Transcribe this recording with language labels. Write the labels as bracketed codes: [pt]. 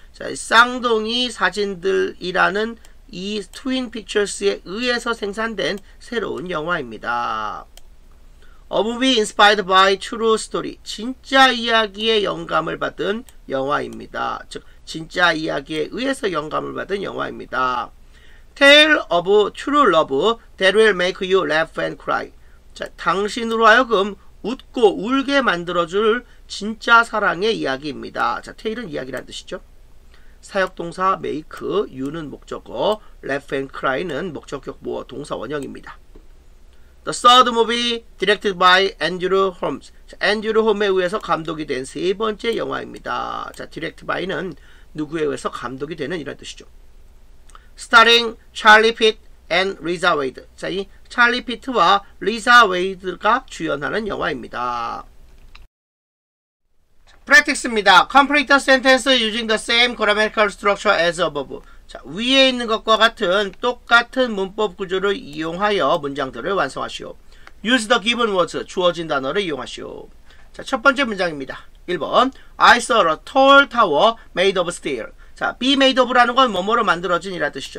[ko] 자, 쌍둥이 사진들이라는 이 Twin Pictures에 의해서 생산된 새로운 영화입니다. [en] A movie inspired by true story. [ko] 진짜 이야기에 영감을 받은 영화입니다. 즉, 진짜 이야기에 의해서 영감을 받은 영화입니다. [en] Tale of true love that will make you laugh and cry. [ko] 자, 당신으로 하여금 웃고 울게 만들어줄 진짜 사랑의 이야기입니다. 자, tale은 이야기란 뜻이죠. 사역동사 make, you는 목적어, laugh and cry는 목적격 모어 동사 원형입니다. [en] The third movie directed by Andrew Holmes. [ko] 자, Andrew Holmes에 의해서 감독이 된 세 번째 영화입니다. 자, directed by는 누구에 의해서 감독이 되는 이런 뜻이죠. [en] Starring Charlie Pitt and Lisa Wade. [ko] 자, 이 Charlie Pitt와 Lisa Wade가 주연하는 영화입니다. Practice입니다. [en] Complete the sentence using the same grammatical structure as above. [ko] 자, 위에 있는 것과 같은 똑같은 문법 구조를 이용하여 문장들을 완성하시오. [en] Use the given words, [ko] 주어진 단어를 이용하시오. 자, 첫 번째 문장입니다. 1번. [en] I saw a tall tower made of steel. [ko] 자, be made of라는 건 뭐뭐로 만들어진 이라 뜻이죠.